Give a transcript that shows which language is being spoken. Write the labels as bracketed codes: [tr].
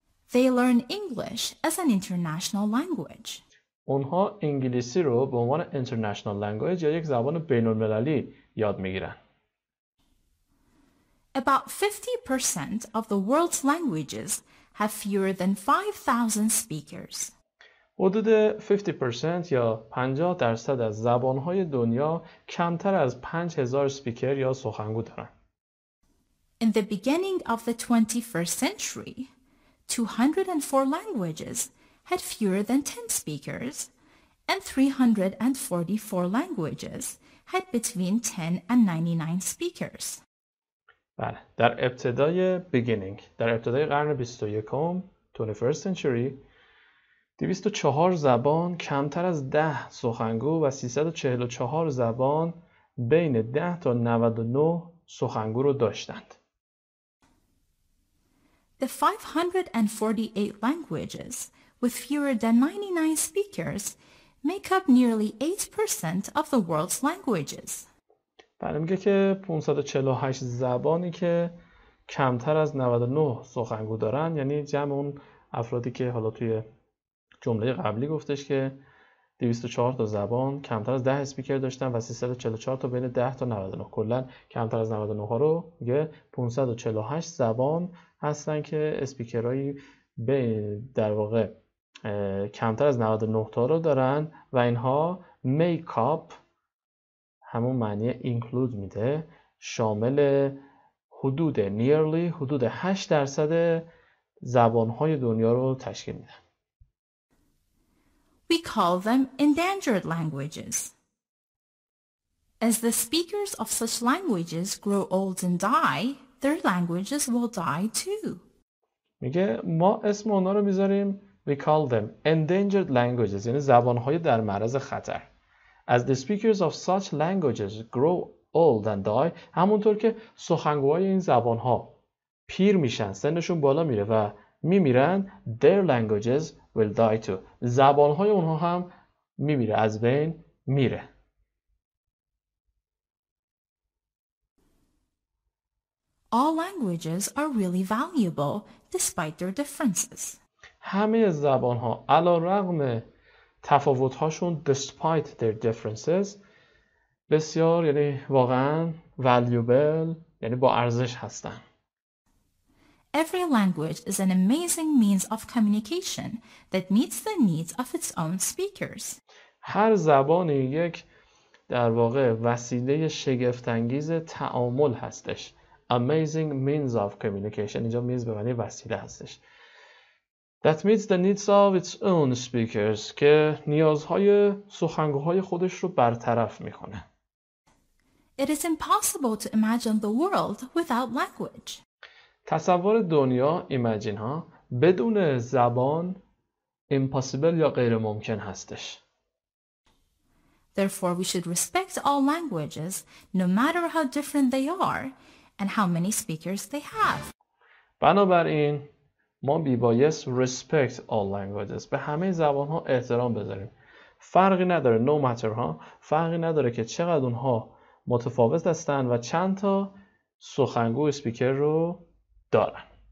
[en] They learn English as an international language. [fa] اونها انگلیسی رو به عنوان [en] international language [fa] یا یک زبان بین المللی یاد میگیرن. [en] About 50% of the world's languages have fewer than 5,000 speakers. [fa] حدود 50% یا 50% از زبان‌های دنیا کمتر از 5,000 speaker یا سخنگو دارن. [en] In the beginning of the 21st century, 204 languages had fewer than 10 speakers, and 344 languages had between 10 and 99 speakers. [fa] بله، در ابتدای beginning، در ابتدای قرن 21، [en] 21st century، [fa] 204 زبان کمتر از 10 سخنگو و 344 زبان بین 10 تا 99 سخنگو رو داشتند. [en] The 548 languages with fewer than 99 speakers make up nearly 8% of the world's languages. [fa] بله میگه که 548 زبانی که کمتر از 99 سخنگو دارن، یعنی جمع اون افرادی که حالا توی جمله قبلی گفتش که 204 تا زبان کمتر از 10 اسپیکر داشتن و 344 تا بین 10 تا 99، کلن کمتر از 99 ها رو میگه 548 زبان هستن که اسپیکرهایی بین در واقع کمتر از 99 تا رو دارن و اینها [en] make up [fa] همون معنی include میده، شامل حدود nearly حدود 8% زبان‌های دنیا رو تشکیل میده. [en] We call them endangered languages. As the speakers of such languages grow old and die, their languages will die too. [fa] میگه ما اسم اونا رو میذاریم [en] we call them endangered languages، [fa] یعنی زبان‌های در معرض خطر. [en] As the speakers of such languages grow old and die، [fa] همونطور که سخنگوهای این زبان‌ها پیر میشن، سنشون بالا میره و میمیرن، [en] their languages will die too. [fa] زبان‌های اونها هم میمیره، از بین میره. [en] All languages are really valuable despite their differences. [fa] همه زبان‌ها علی‌رغم تفاوت‌هاشون [en] despite their differences [fa] بسیار یعنی واقعاً valuable یعنی با ارزش هستن. [en] Every language is an amazing means of communication that meets the needs of its own speakers. [fa] هر زبانی یک در واقع وسیله شگفت‌انگیز تعامل هستش. [en] Amazing means of communication. [fa] اینجا means به معنی وسیله هستش. [en] That meets the needs of its own speakers. [fa] که نیازهای سخنگوهای خودش رو برطرف میکنه. [en] It is impossible to imagine the world without language. [fa] تصور دنیا imagine ها بدون زبان impossible یا غیر ممکن هستش. [en] Therefore we should respect all languages no matter how different they are and how many speakers they have. [fa] بنابراین ما بی‌بایس [en] respect all languages، [fa] به همه زبان‌ها احترام بذاریم. فرقی نداره [en] no matter [fa] ها، فرقی نداره که چقدر اونها متفاوت هستن و چند تا سخنگو اسپیکر رو دارن.